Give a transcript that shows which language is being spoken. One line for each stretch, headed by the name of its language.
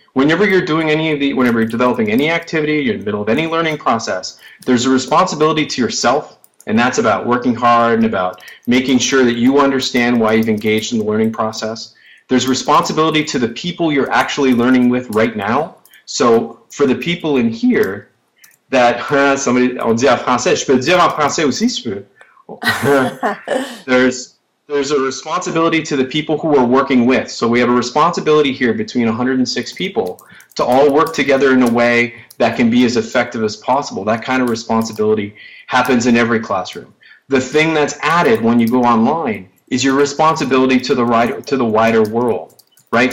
English: Whenever you're doing any of the, whenever you're developing any activity, you're in the middle of any learning process, there's a responsibility to yourself, and that's about working hard and about making sure that you understand why you've engaged in the learning process. There's responsibility to the people you're actually learning with right now. So for the people in here that somebody,
French: on dit en français, je peux
English: dire en français aussi, je peux. There's a responsibility to the people who we're working with. So we have a responsibility here between 106 people to all work together in a way that can be as effective as possible. That kind of responsibility happens in every classroom. The thing that's added when you go online is your responsibility to the wider world, right?